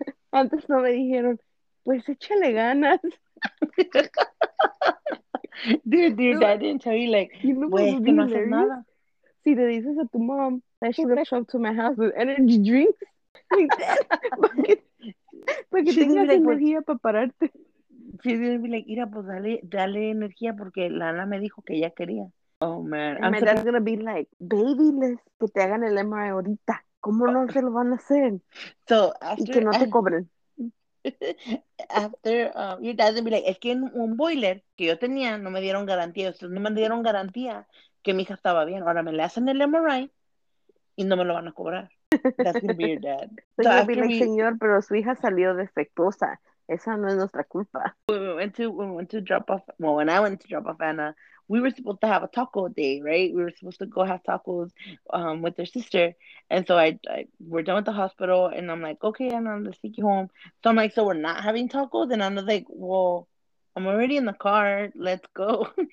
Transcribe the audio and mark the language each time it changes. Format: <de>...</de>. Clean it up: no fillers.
<es>Antes no me dijeron, pues échale ganas.</es> <en>Dude, no, dad didn't tell you, like, you know,</en> <es>pues, que no haces nada. Si le dices a tu</es> <en>mom, that she's gonna show up to my house with energy drinks.</en> <es>Porque tengas energía para pararte.</es> <en>She's going to be like,</en> <es>mira, pues dale energía porque Lana me dijo que ella quería.</es> <en>Oh, man. And my dad's going to be like, baby, let's</en> <es>que te hagan el MRI ahorita. ¿Cómo no se lo van a hacer?</es> <en>So after,</en> <es>y que no te cobren.</es> <en>After, your dad's going to be like,</en> <es>es que en un boiler que yo tenía no me dieron garantía. Ustedes no me dieron garantía que mi hija estaba bien. Ahora me le hacen el MRI y no me lo van a cobrar.</es> <en>That's going to be your dad. So you're going to be like,</en> <es>señor, pero su hija salió defectuosa. Esa no es nuestra culpa.</es> <en>When we went to drop off, well, when I went to drop off Anna, we were supposed to have a taco day, right? We were supposed to go have tacos with their sister. And so I we're done with the hospital, and I'm like, okay, and I'm gonna take you home. So I'm like, so we're not having tacos? And I'm like, well, I'm already in the car. Let's go.</en>